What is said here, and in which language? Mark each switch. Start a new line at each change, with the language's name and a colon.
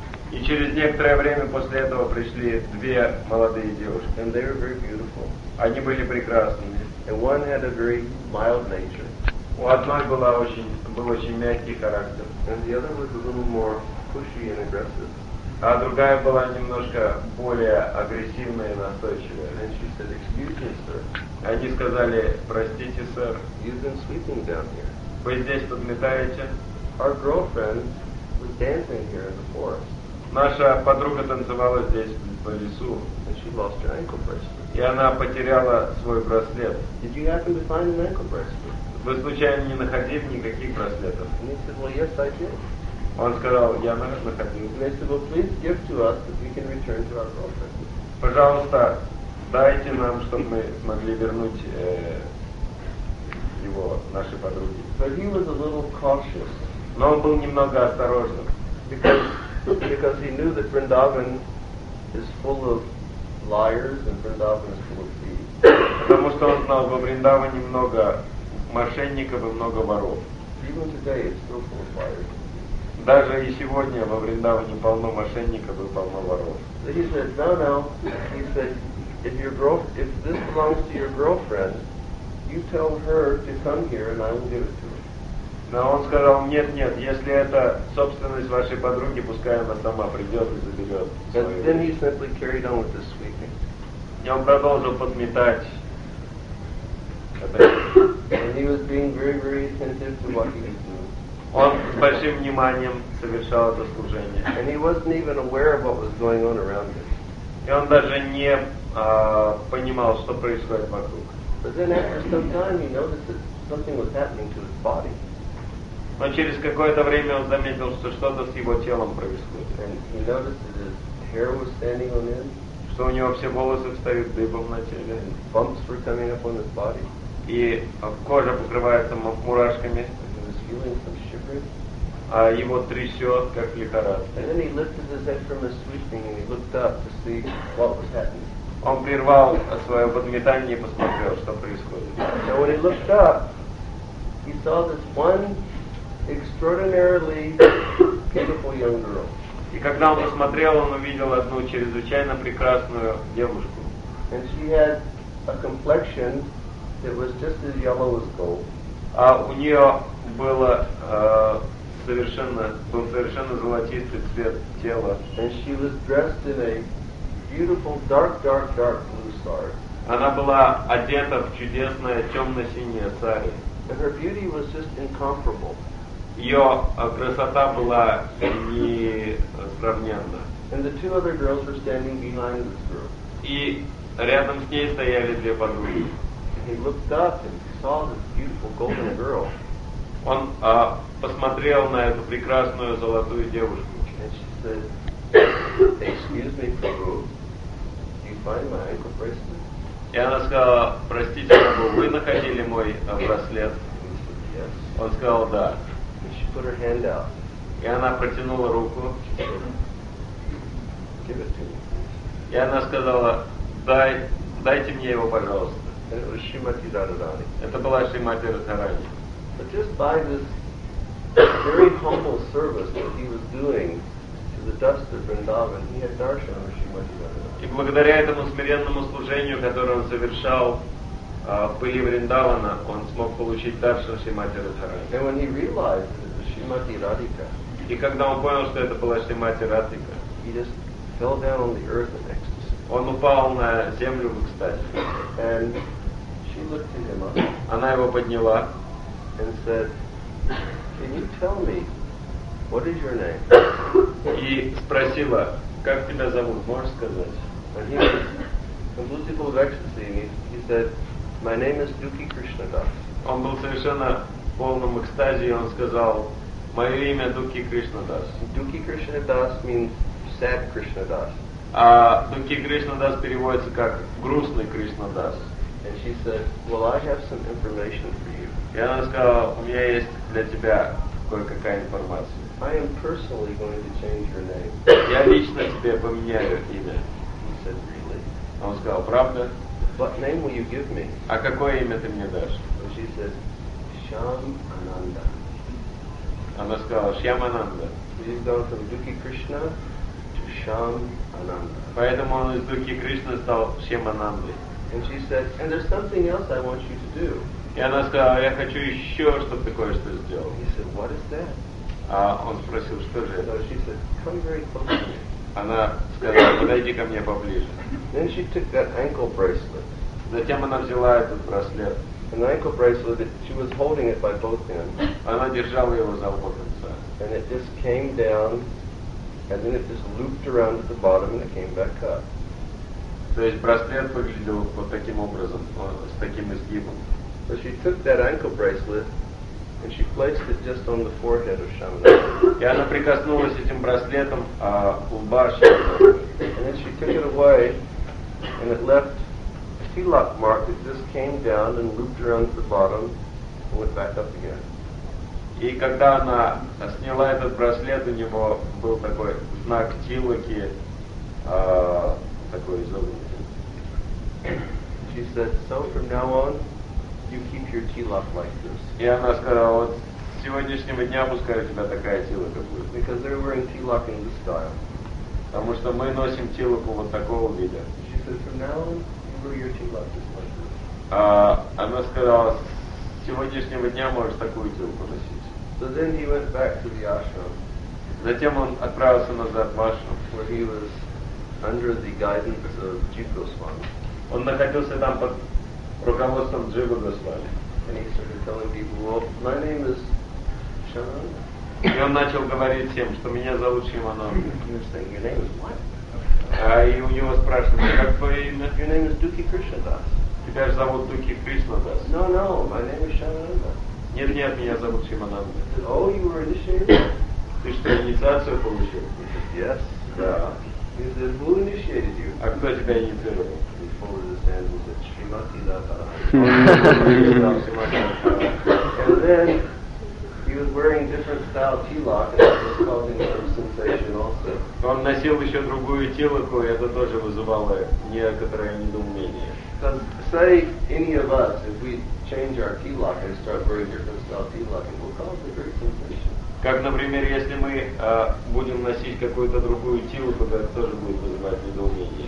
Russian: И через некоторое время после этого пришли две молодые девушки.
English: And they were very beautiful.
Russian: Они были прекрасными.
English: And one had a very mild nature.
Russian: У одной был очень мягкий характер.
English: And the other was a little more pushy and aggressive.
Russian: А другая была немножко более агрессивная и настойчивая.
English: And she said, "Excuse me, sir."
Russian: Они сказали: "Простите, сэр.
English: You've been sweeping down here.
Russian: Вы здесь подметаете?"
English: Our girlfriend was dancing here in the forest.
Russian: Наша подруга танцевала здесь по лесу.
English: And she lost her ankle bracelet.
Russian: И она потеряла свой браслет.
English: Did you happen to find an ankle bracelet?
Russian: Вы случайно не находили никаких браслетов?
English: And he said, "Well, yes, I did."
Russian: Он сказал: "Я находил."
English: And they said, "Well, please give to us that we can return to our girlfriend."
Russian: Пожалуйста, дайте нам, чтобы мы смогли вернуть его нашей подруге.
English: But he was a little cautious.
Russian: Но он был немного осторожным.
English: Because he knew that Vrindavan is full of liars and Vrindavan is full of thieves.
Russian: Потому что он знал, во Вриндаване много мошенников и много воров.
English: Even today it's still full of liars.
Russian: Даже и сегодня во Вриндаване полно мошенников и полно воров.
English: So he said, "No." He said, "If this belongs to your girlfriend, you tell her to come here and I will give it to her."
Russian: Но он сказал: нет, если это собственность вашей подруги, пускай она сама придет и заберет.
English: And then he simply carried on with the sweeping.
Russian: И он продолжил подметать.
English: And he was being very, very attentive to what he was doing.
Russian: Он с большим вниманием совершал это служение.
English: And he wasn't even aware of what was going on around him.
Russian: И он даже не понимал, что происходит вокруг.
English: But then after some time, he noticed that something was happening to his body.
Russian: Но через какое-то время он заметил, что что-то с его телом происходит.
English: And he noticed that his hair was standing on end.
Russian: Что у него все волосы встают дыбом на теле.
English: And bumps were coming up on his body.
Russian: И кожа покрывается мурашками.
English: He was feeling some shivering.
Russian: А его трясет, как лихорадка.
English: And then he lifted his head from his sweeping and he looked up to see what was happening.
Russian: Он прервал свое подметание и посмотрел, что происходит.
English: So when he looked up, he saw this one extraordinarily beautiful young girl.
Russian: И когда он посмотрел, он увидел одну чрезвычайно прекрасную девушку.
English: And she had a complexion that was just as yellow as gold.
Russian: А у нее было совершенно золотистый цвет тела.
English: And she was dressed in a beautiful dark blue sari.
Russian: Она была одета в чудесное темно-синее сари.
English: And her beauty was just incomparable.
Russian: Ее красота была несравненна.
English: And the two other girls were standing behind this girl.
Russian: И рядом с ней стояли две подруги.
English: And he looked up and saw this beautiful golden girl.
Russian: Он посмотрел на эту прекрасную золотую девушку.
English: And she said, "Excuse me, Prabhu, do you find my ankle bracelet?"
Russian: И она сказала, "Простите, Прабху, вы находили мой браслет?"
English: He said, "Yes."
Russian: Он сказал, "Да."
English: And she put her hand out.
Russian: И она протянула руку.
English: Give it to me.
Russian: И она сказала, дайте мне его, пожалуйста.
English: And it was Shrimati Radharani.
Russian: Это была Шримати Радхарани.
English: But just by this very humble service that he was doing to the dust of Vrindavan, he had darshan of Shrimati Radharani.
Russian: И благодаря этому смиренному служению, которое он совершал, пыли Вриндавана, он смог получить даршан Шримати Радхарани.
English: And when he realized that it was Шримати Радхика,
Russian: и когда он понял, что это была Шримати Радхика,
English: he just fell down on the earth in ecstasy.
Russian: Он упал на землю в экстазе.
English: And she looked at him up.
Russian: Она его подняла.
English: And said, "Can you tell me what is your name?"
Russian: И спросила, как тебя зовут, можешь сказать?
English: And he was completely full of ecstasy. He said, "My name is Duki Krishna Das."
Russian: Он был совершенно полном экстазе, и он сказал, "Мое имя Duki Krishna Das."
English: Duki Krishna Das means sad Krishna Das.
Russian: А Duki Krishna Das переводится как грустный Krishna Das.
English: And she said, "Well, I have some information for you."
Russian: И она сказала, "У меня есть для тебя кое-какая информация."
English: I am personally going to change your name.
Russian: Я лично тебе поменяю имя.
English: He said, "Really?"
Russian: Он сказал, "Правда?"
English: What name will you give me?
Russian: А какое имя ты мне дашь?
English: And she said, "Shyam Ananda."
Russian: Она сказала, "Shyam Ananda."
English: He went from Duki Krishna to Shyam Ananda.
Russian: Поэтому он из Duki Krishna стал Shyam Ananda.
English: And she said, "And there's something else I want you to do."
Russian: И она сказала, "Я хочу еще, чтобы ты кое-что сделал."
English: He said, "What is that?"
Russian: А он спросил, "Что же это?"
English: So she said, "Come very close to me."
Russian: Она сказала, "Подойди ко мне поближе."
English: Then she took that ankle bracelet.
Russian: Затем она взяла этот браслет.
English: An ankle bracelet, she was holding it by both hands.
Russian: Она держала его за оба конца.
English: And it just came down, and then it just looped around at the bottom, and it came back up.
Russian: То есть браслет выглядел вот таким образом, с таким изгибом.
English: So she took that ankle bracelet, and she placed it just on the forehead of Shyamananda.
Russian: И она прикоснулась этим браслетом к лбу Шамананды.
English: And then she took it away, and it left a tilak mark that just came down and looped around the bottom and went back up again.
Russian: И когда она сняла этот браслет, у него был такой знак тилаки, такой изогнутый.
English: She said, "So from now on, you keep your tilak like this."
Russian: И она сказала, "Вот с сегодняшнего дня пускай у тебя такая тилака будет."
English: Because they're wearing tilak in this style.
Russian: Потому что мы носим тилаку вот такого вида.
English: She said, "From now on, you wear your tilak just like this."
Russian: Она сказала, "С сегодняшнего дня можешь такую тилку носить."
English: So then he went back to the ashram.
Russian: Затем он отправился назад в ашрам.
English: Where he was under the guidance of Jiva Goswami.
Russian: Он находился там под руководством Джива Госвами.
English: and he started telling people, well, my name is Sean.
Russian: И он начал говорить всем, что меня зовут Шиманон. И у него спрашивают, как твое имя?
English: Your name is Duki Krishnadas.
Russian: Тебя же зовут Дуки Кришнадас.
English: No, no, my name is Шимананда.
Russian: Нет, нет, меня зовут Шимананда.
English: Oh, you were initiated?
Russian: Ты что, инициацию получил?
English: Yes,
Russian: да.
English: He said, who initiated you?
Russian: А кто тебя инициировал?
English: He folded his hands and said, Шимати Дата. And then he was wearing different style tilak, and that was causing some sensation also.
Russian: Он носил еще другую тилаку, и это тоже вызывало некоторое недоумение.
English: Because say any of us, if we change our tilak and start wearing different style tilak, it will cause a great sensation.
Russian: Как, например, если мы будем носить какую-то другую тилаку, то это тоже будет вызывать недоумение.